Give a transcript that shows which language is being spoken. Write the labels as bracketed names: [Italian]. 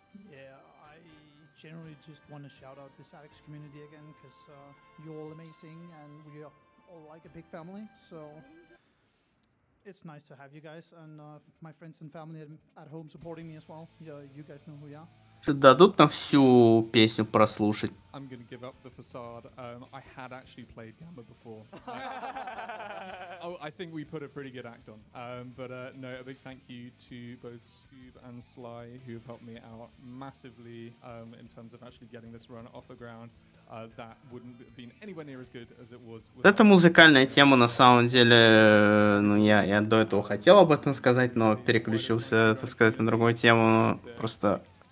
[English] yeah I generally just want to shout out the Sadix community again because you're all amazing and we are all like a big family so it's nice to have you guys and my friends and family at home supporting me as well yeah you guys know who you are. [Russian] Дадут нам всю песню прослушать. [English] I'm gonna give up the facade. I had actually played Gamba before. Oh, I think we put a pretty good act on. But no, a big thank you to both Scoob and Sly, who have helped me out massively in terms of actually getting this run off the ground. That wouldn't have been anywhere near as good as it was. [Russian] Это музыкальная тема на самом деле. Ну я до этого хотел об этом сказать, но переключился, так сказать, на другую тему. Просто.